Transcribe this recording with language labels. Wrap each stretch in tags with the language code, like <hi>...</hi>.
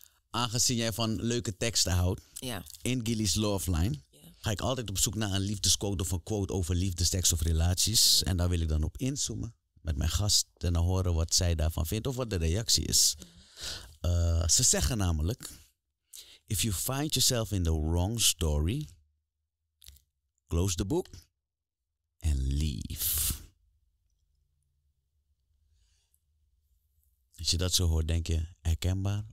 <nl>Aangezien jij van leuke teksten houdt... Ja. In Gilly's Love Line... Ja. Ga ik altijd op zoek naar een liefdesquote... of een quote over liefdestekst of relaties. Ja. En daar wil ik dan op inzoomen... met mijn gast en dan horen wat zij daarvan vindt... of wat de reactie is. Ja. Ze zeggen namelijk...</nl> <en>If you find yourself in the wrong story... Close the book and leave.</en> <nl>Als je dat zo hoort, denk je herkenbaar?</nl>